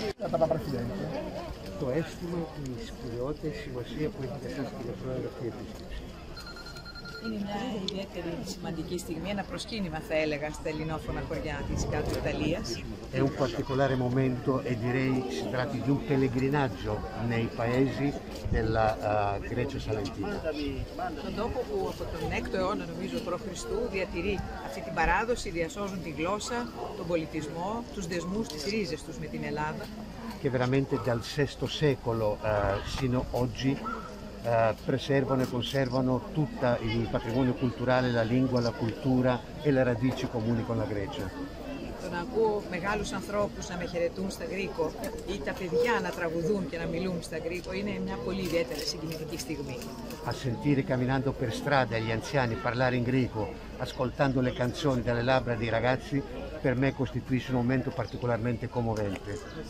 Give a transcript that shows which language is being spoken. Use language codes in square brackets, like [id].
[el] Το αίσθημα της κυριότητας σημασία που έχει καθώς και για αυτή την επίσκεψη. Είναι μια ιδιαίτερη σημαντική στιγμή, ένα προσκύνημα θα έλεγα στα ελληνόφωνα χωριά της κάτω Ιταλίας. [it] È un particolare momento e direi si tratti di un pellegrinaggio nei paesi della Grecia Salentina. [el] Τον τόπο που από τον 6ο αιώνα νομίζω προ Χριστού διατηρεί αυτή την παράδοση, διασώζουν τη γλώσσα, τον πολιτισμό, τους δεσμούς, τις ρίζες τους με την Ελλάδα. [it] Che veramente dal VI secolo sino oggi preservano e conservano tutto il patrimonio culturale, la lingua, la cultura e le radici comuni con la Grecia. [el] Τον ακούω μεγάλους ανθρώπους να με χαιρετούν στα Γρήκο ή τα παιδιά να τραγουδούν και να μιλούν στα Γρήκο είναι μια πολύ ιδιαίτερη συγκινητική στιγμή. [it] A sentire camminando per strada gli anziani parlare in greco, ascoltando le canzoni dalle labbra dei ragazzi, per me costituisce un momento particolarmente commovente.